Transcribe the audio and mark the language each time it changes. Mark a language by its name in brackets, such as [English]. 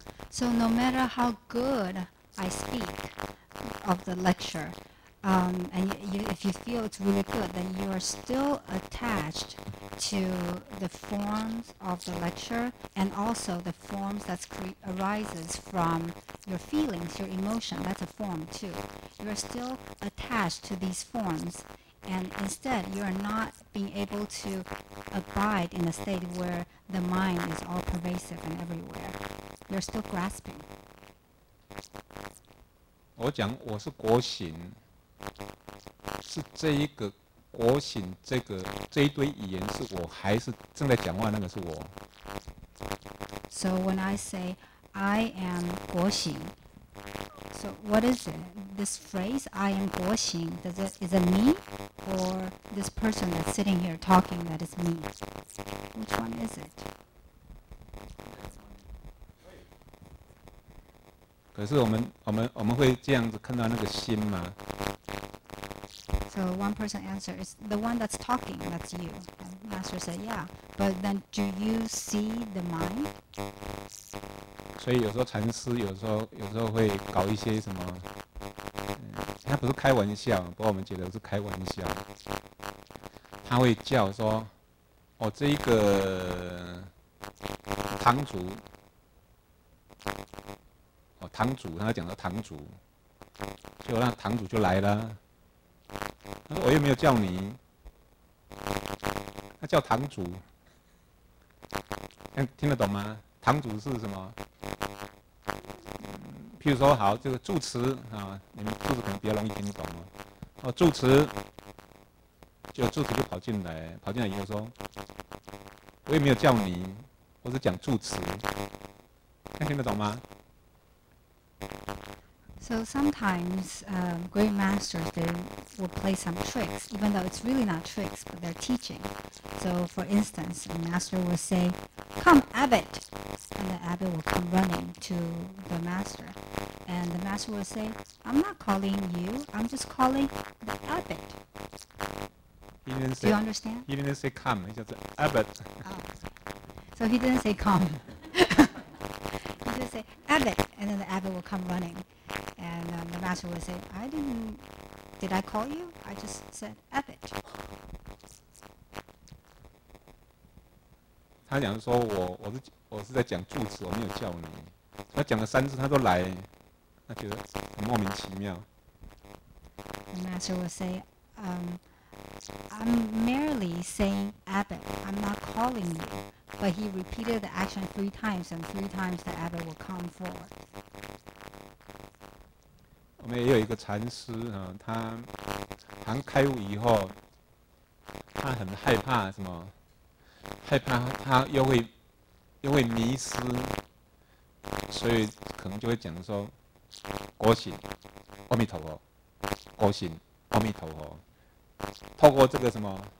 [English] So no matter how good I speak of the lecture, and if you feel it's really good, then you are still attached to the forms of the lecture and also the forms that arises from your feelings, your emotion. That's a form too. You are still attached to these forms. And instead, you are not being able to abide in a state where the mind is all pervasive and everywhere. You're still grasping. [Chinese] 我讲我是国醒，是这一个国醒，这个这一堆语言是我，还是正在讲话那个是我 [English] ？So when I say I am 国醒。So what is it? This phrase, I am Guo Xing, is it me or this person that's sitting here talking that is me? Which one is it? [Chinese] 可是我们会这样子看到那个心吗 [English] So one person answers, it's the one that's talking, that's you. The master said, yeah. But then do you see the mind? [Chinese] 所以有时候禅师有时候会搞一些什么，他不是开玩笑，不过我们觉得是开玩笑。他会叫说：“哦，这一个堂主，哦堂主，他讲到堂主，就那堂主就来了。他说我又没有叫你，他叫堂主，听得懂吗？堂主是什么？” 譬如说，好，这个住持啊，你们住持可能比较容易听懂哦。哦，住持，就住持就跑进来以后说，我也没有叫你，我是讲住持，能听得懂吗 [English] ？So sometimes, great masters they will play some tricks, even though it's really not tricks, but they're teaching. So for instance, a master will say, "Come, abbot," and the abbot will come running to the master. And the master will say, I'm not calling you, I'm just calling the abbot. He didn't say, Do you understand? He didn't say come, he just said abbot.、 Oh. So he didn't say come. He just said abbot, and then the abbot will come running. And、the master will say, did I call you? I just said abbot. [Chinese] 他讲说我是在讲住持，我没有叫你。他讲了三次，他都来。他觉得很莫名其妙。 [English] The master will say, I'm merely saying abbot. I'm not calling you. But he repeated the action three times, and three times the abbot would come forward. [Chinese] 我们也有一个禅师啊，他刚开悟以后，他很害怕什么？害怕他又会迷失，所以可能就会讲说：“果行，阿弥陀佛，果行，阿弥陀佛。” 透过这个什么？